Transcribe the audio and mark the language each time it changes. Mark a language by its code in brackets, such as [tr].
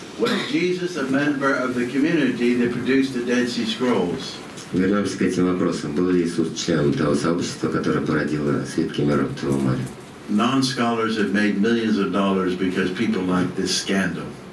[en] Was Jesus a member of the community that produced the Dead Sea Scrolls? [ru] Вернемся к этим вопросам. Был ли Иисус членом того сообщества, которое породило свитки Мертвого моря? [en] Non-scholars have made millions of dollars because people like this scandal.